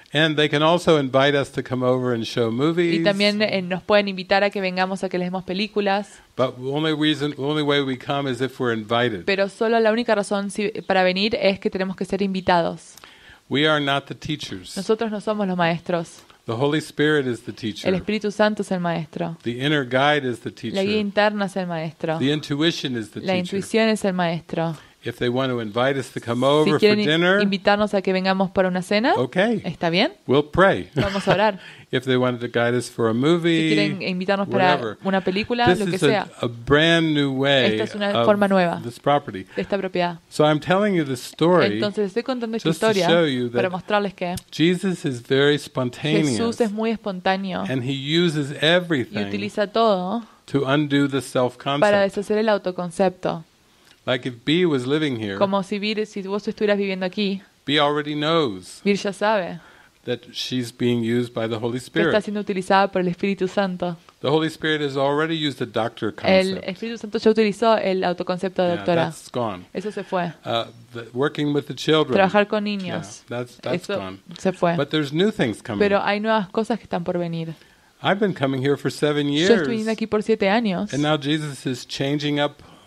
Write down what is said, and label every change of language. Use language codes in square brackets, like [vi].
[en] And they can also invite us to come over and show movies. [es] Y también nos pueden invitar a que vengamos a que les demos películas. [en] But the only way we come is if we're invited. [es] Pero solo la única razón para venir es que tenemos que ser invitados. [en] We are not the teachers. [es] Nosotros no somos los maestros. [en] The Holy Spirit is the teacher. [es] El Espíritu Santo es el maestro. [en] The inner guide is the teacher. [es] La guía interna es el maestro. [en] The intuition is the teacher. [es] La intuición es el maestro. [en] If they want to invite us to come over for dinner, [es] si quieren invitarnos a que vengamos para una cena, [en] okay, [es] está bien. [en] We'll pray. [es] Vamos a orar. [en] If they wanted to guide us for a movie, [es] si quieren invitarnos para una película, [en] this [es] lo que [en] is [es] sea. [en] A brand new way. [es] Esta es una forma nueva. [en] This property. [es] De esta propiedad. [en] So I'm telling you the story. [es] Entonces estoy contando esta [en] just [es] historia [en] to show you that [es] para mostrarles que [en] Jesus is very spontaneous. [es] Jesús es muy espontáneo. [en] And he uses everything. [es] Y utiliza todo [en] to undo the self-concept. [es] Para deshacer el autoconcepto. [en] Like if B was living here. [es] Como si vos estuvieras viviendo aquí. [en] B already knows. [es] Vir ya sabe. [en] That she's being used by the Holy Spirit. [es] Está siendo utilizada por el Espíritu Santo. [en] The Holy Spirit has already used the doctor concept. [es] El Espíritu Santo ya utilizó el autoconcepto de doctora. [en] Yeah, that's gone. [es] Eso se fue. [en] Working with the children. [es] Trabajar con niños. [en] Yeah, that's [es] eso [en] gone. [es] Se fue. [en] But there's new things coming. [es] Pero hay nuevas cosas que están por venir. [en] I've been coming here for 7 years. [es] Yo estoy viniendo aquí por 7 años. [en] And now Jesus is changing up.